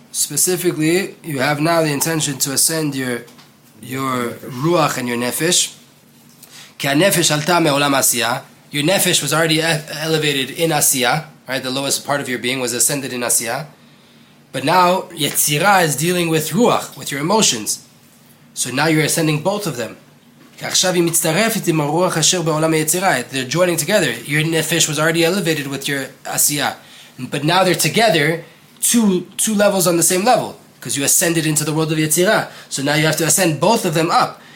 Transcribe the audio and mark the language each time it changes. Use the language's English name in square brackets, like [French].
[English] Specifically, you have now the intention to ascend your ruach and your nefesh. [Hebrew] Ki ha'nefesh alta me'olam asiyah. [English] Your nefesh was already elevated in Asiyah, right? The lowest part of your being was ascended in Asiyah. But now, Yetzirah is dealing with Ruach, with your emotions. So now you're ascending both of them. [Hebrew] עכשיו היא מצטרפת עם הרוח אשר בעולם היצירה. [English] They're joining together. Your nefesh was already elevated with your asiyah. But now they're together, two levels on the same level. Because you ascended into the world of Yetzira. So now you have to ascend both of them up.